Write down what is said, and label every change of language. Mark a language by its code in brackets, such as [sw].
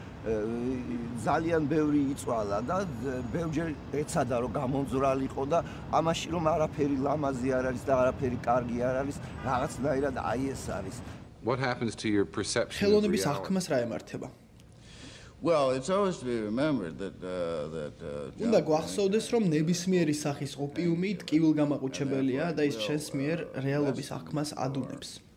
[ka] ძალიან ბევრი იწვალა და ბევრჯერ ეცადა რომ გამონძრალიყო და ამაში რომ არაფერი ლამაზი არ არის და არაფერი კარგი არ არის, რაღაცნაირად აი ეს არის. [en] What happens to your perception? [ka] ხელოვნების აღქმას რა ემართება? [en] Well, it's always to be remembered that [ka] უნდა გვახსოვდეს რომ ნებისმიერი სახის ოპიუმი ტკივილგამაყუჩებელია და ის ჩვენს მიერ რეალობის აღქმას ადუნებს.